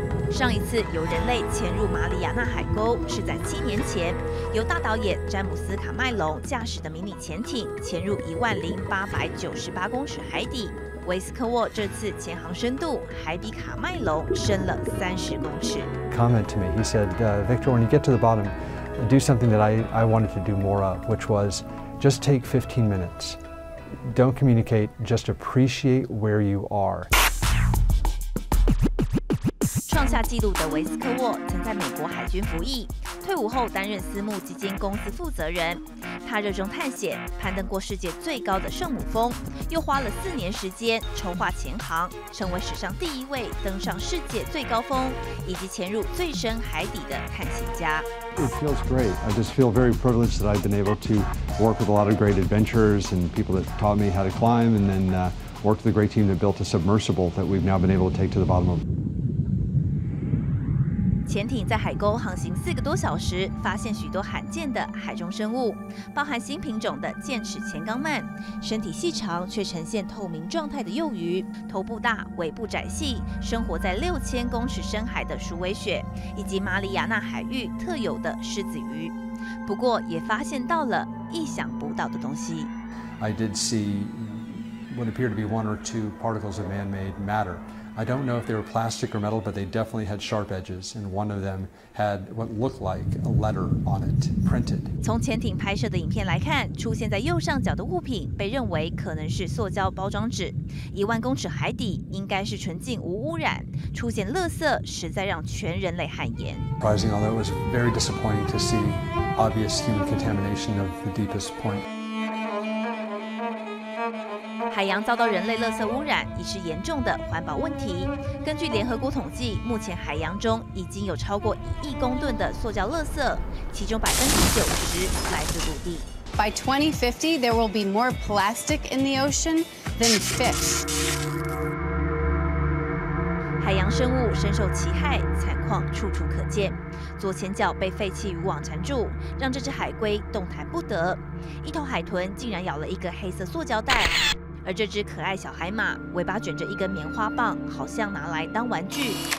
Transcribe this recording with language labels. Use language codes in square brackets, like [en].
[zh] 上一次由人类潜入马里亚纳海沟是在7年前，由大导演詹姆斯·卡麦隆驾驶的迷你潜艇潜入10898公尺海底。维斯科沃这次潜航深度还比卡麦隆深了30公尺。 [en] Comment to me, he said, Victor, when you get to the bottom, do something that I wanted to do more of, which was just take 15 minutes. Don't communicate, just appreciate where you are. [zh] 创下纪录的维斯科沃曾在美国海军服役，退伍后担任私募基金公司负责人。他热衷探险，攀登过世界最高的圣母峰，又花了4年时间筹划潜航，成为史上第一位登上世界最高峰以及潜入最深海底的探险家。 [en] It feels great. I just feel very privileged that I've been able to work with a lot of great adventurers and people that taught me how to climb, and then worked with a great team that built a submersible that we've now been able to take to the bottom of. [zh] 潜艇在海沟航行4个多小时，发现许多罕见的海中生物，包含新品种的剑齿前纲鳗，身体细长却呈现透明状态的幼鱼，头部大，尾部窄细，生活在6000公尺深海的鼠尾鳕，以及马里亚纳海域特有的狮子鱼。不过也发现到了意想不到的东西。 [en] I did see what appeared to be one or two particles of man-made matter. I don't know if they were plastic or metal, but they definitely had sharp edges, and one of them had what looked like a letter on it, printed. [zh] 从潜艇拍摄的影片来看，出现在右上角的物品被认为可能是塑胶包装纸。 10000公尺海底应该是纯净无污染，出现垃圾实在让全人类汗颜。 [en] Surprising, although it was very disappointing to see obvious human contamination of the deepest point. [zh] 海洋遭到人类垃圾污染已是严重的环保问题。根据联合国统计，目前海洋中已经有超过1亿公吨的塑胶垃圾，其中90%来自陆地。 [en] By 2050, there will be more plastic in the ocean than fish. [zh] 海洋生物深受其害，惨况处处可见。左前脚被废弃渔网缠住，让这只海龟动弹不得。一头海豚竟然咬了一个黑色塑胶袋。而这只可爱小海马尾巴卷着一根棉花棒，好像拿来当玩具。